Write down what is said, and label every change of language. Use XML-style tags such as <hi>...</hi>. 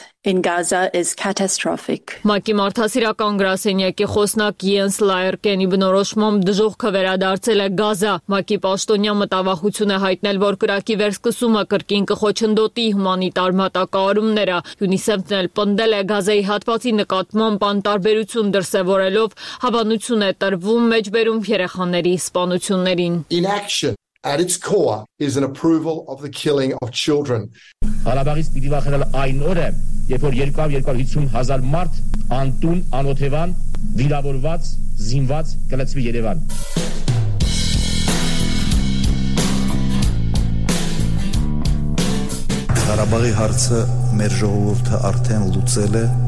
<en>In Gaza is catastrophic.</en> <hy>ՄԱԿ-ի մարդասիրական գրասենյակի խոսնակ Յենս Լայերկենի բնորոշմամբ դժոխքը վերադարձել է Գազա։ ՄԱԿ-ի պաշտոնյա մտավախություն է հայտնել, որ կրակի վերսկսումը կրկին կխոչընդոտի հումանիտար մատակարարումները։ Յունիսեֆն էլ պնդել է Գազայի հատվածի նկատմամբ անտարբերություն դրսևորելով, հավանություն է տրվում մեջբերում երեխաների սպանություններին։</hy> <en>At its core is an approval of the killing of children.</en> <hy>Ղարաբաղից պիտի վախենալ այն օրը, երբ որ 250,000 մարդ անտուն, անօթևան, վիրավորված, զինված կլցվի Երևան։ Ղարաբաղի հարցը մեր ժողովուրդը արդեն լուծել է։</hy>